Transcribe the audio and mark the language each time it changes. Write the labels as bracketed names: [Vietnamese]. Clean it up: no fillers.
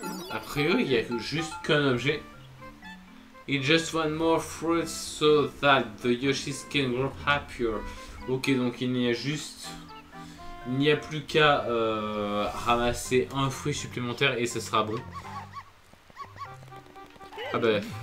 [French] A priori, il n'y a juste qu'un objet. [English] It just one more fruit so that the Yoshis can grow happier. [French] Ok, donc il n'y a plus qu'à ramasser un fruit supplémentaire et ce sera bon. Ah bah.